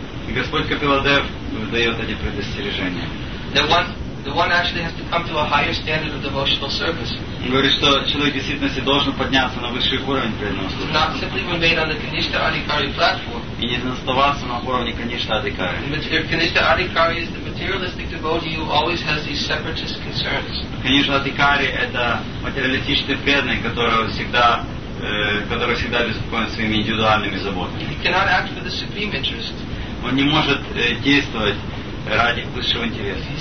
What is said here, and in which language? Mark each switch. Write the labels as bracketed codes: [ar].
[ru] И Господь Капиладев дает эти предостережения. [en] The one actually has to come to a higher standard of devotional service. [ru] Он говорит, что человек действительно должен подняться на высший уровень преданного служения. [en] Not simply remain on the Kanishtha Adhikari platform. [ru] И не оставаться на уровне Kanishtha Adhikari. [en] Kanishtha Adhikari is the materialistic devotee who always has these separatist concerns. [ru] Kanishtha Adhikari это материалистический преданный, который всегда беспокоен своими индивидуальными заботами. [en] He cannot act for the supreme interest. [ru] Он не может действовать ради высшего интереса.